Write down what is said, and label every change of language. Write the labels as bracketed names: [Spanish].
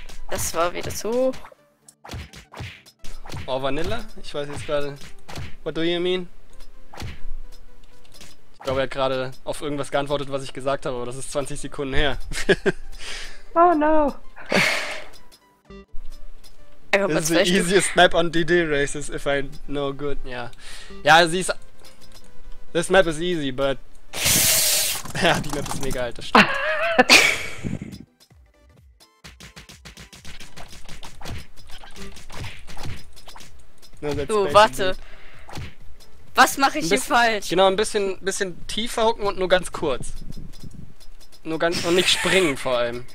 [German] Das war wieder zu. Oh, Vanilla? Ich weiß jetzt gerade. [English] What do you mean? [German] Ich glaube, er hat gerade auf irgendwas geantwortet, was ich gesagt habe, aber das ist 20 Sekunden her. [English] Oh no! This is the easiest map on DD races if I know good. [German] Ja. Ja, sie ist. [English] This map is easy, but. [German] Ja, die Map ist mega alt, das stimmt. Du, warte. Was mache ich hier falsch? Genau, ein bisschen tiefer hocken und nur ganz kurz. Nur ganz und nicht springen vor allem.